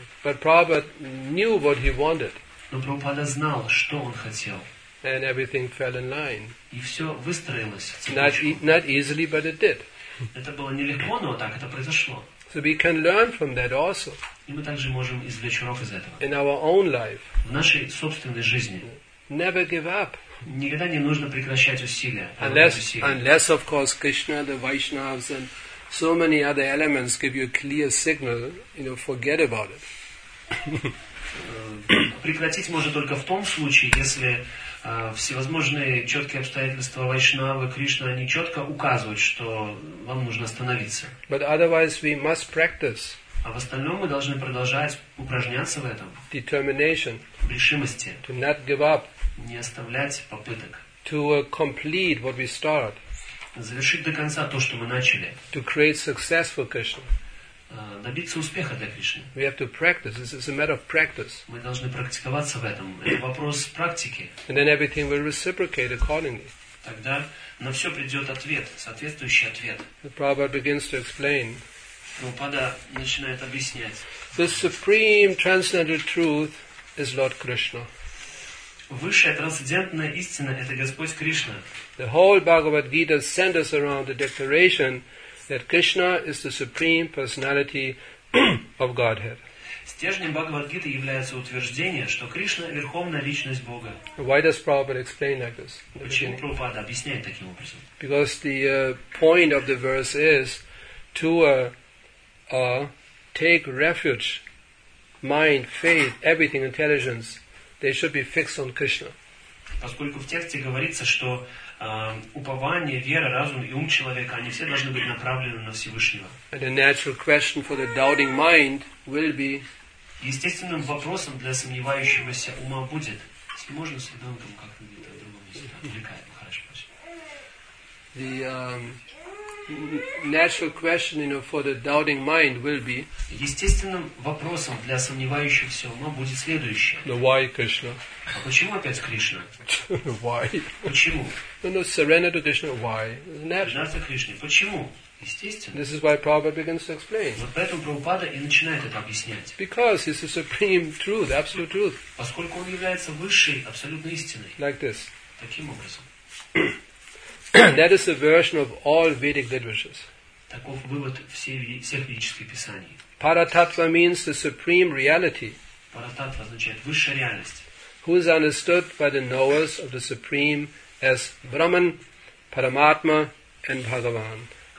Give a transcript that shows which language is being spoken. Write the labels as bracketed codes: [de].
[en] But Prabhupada knew what he wanted. [ru] Но Прабхупада знал, что он хотел. [en] And everything fell in line. [ru] И все выстроилось. [en] Not easily, but it did. [ru] Это было нелегко, но так это произошло. [en] So we can learn from that also. [ru] И мы также можем извлечь урок из этого. [en] In our own life. [ru] В нашей собственной жизни. [en] Never give up. [ru] Никогда не нужно прекращать усилия. [en] Unless, of course, Krishna, the Vaishnavas, and so many other elements give you a clear signal, forget about it. [ru] Прекратить можно только в том случае, если всевозможные четкие обстоятельства Вайшнавы, Кришна, они четко указывают, что вам нужно остановиться. [en] But otherwise we must practice. [ru] А в остальном мы должны продолжать упражняться в этом. [en] Determination. [ru] В решимости. [en] To not give up. [ru] Не оставлять попыток. [en] To complete what we start. [ru] Завершить до конца то, что мы начали. [en] To create success for Krishna. [ru] Добиться успеха для Кришны. [en] We have to practice. This is a matter of practice. [ru] Мы должны практиковаться в этом. Это вопрос практики. [en] And then everything will reciprocate accordingly. [ru] Тогда на все придет ответ, соответствующий ответ. [en] The Prabhupada begins to explain. [ru] Прабхупада начинает объяснять. [en] The supreme transcendental truth is Lord Krishna. [ru] Высшая трансцендентная истина – это Господь Кришна. [en] The whole Bhagavad Gita centers around the declaration that Krishna is the supreme personality of Godhead. [ru] Стержнем Бхагавад Гиты является утверждение, что Кришна – верховная личность Бога. [en] Why does Prabhupada explain like this? [ru] Почему Прабхупада объясняет таким образом? [en] Because the point of the verse is to take refuge, mind, faith, everything, intelligence. They should be fixed on Krishna. [ru] Поскольку в тексте говорится, что упование, вера, разум и ум человека, они все должны быть направлены на Всевышнего. [en] And the natural question for the doubting mind will be. [ru] Естественным вопросом для сомневающегося ума будет, если можно с ребенком как-нибудь в другом месте отвлекать, хорошо. [en] The natural question, you know, for the doubting mind will be. [ru] Естественным вопросом для сомневающихся ума будет следующее. Но [en] why Krishna? [ru] А почему опять Кришна? [en] Why? [ru] Почему? [en] No, surrender to Krishna. Why? Natural. [ru] Кришне. Почему? Естественно. [en] This is why Prabhupada begins to explain. [ru] Вот поэтому Прабхупада и начинает это объяснять. [en] Because he's the supreme truth, absolute truth. [ru] Поскольку он является высшей абсолютной истиной. [en] Like this. [ru] Таким образом. [en] That is the version of all Vedic literatures. [ru] Таков вывод всех ведических писаний. [en] Paratattva means the supreme reality. [ru] Paratattva означает высшая реальность. [en] Who is understood by the knowers of the supreme as Brahman, Paramatma, and Bhagavan.